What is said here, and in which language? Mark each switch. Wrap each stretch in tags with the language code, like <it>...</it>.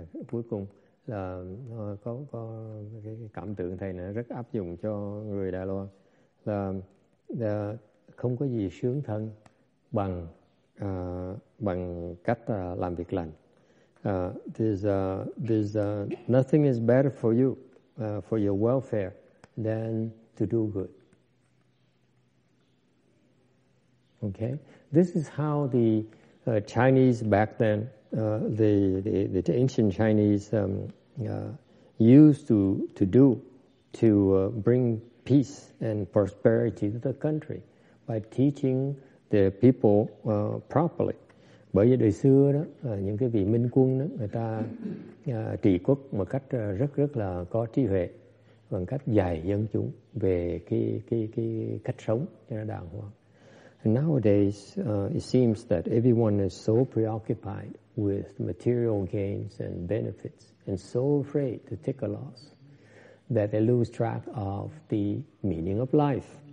<vi>Cuối cùng là có cái cảm tưởng thầy này rất áp dụng cho người Đài Loan, là không có gì sướng thân bằng bằng cách làm việc lành.</vi> <en>Nothing is better for you for your welfare than to do good. Okay, this is how the Chinese back then, the ancient Chinese used to do to bring peace and prosperity to the country by teaching the people properly.</en> <vi>Bởi vì đời xưa đó, những cái vị minh quân đó, người ta trị quốc một cách rất rất là có trí huệ, bằng cách dạy dân chúng về cái cách sống cho nó đàng hoàng.</vi> <en>And nowadays, it seems that everyone is so preoccupied with material gains and benefits, and so afraid to take a loss, that they lose track of the meaning of life.</en>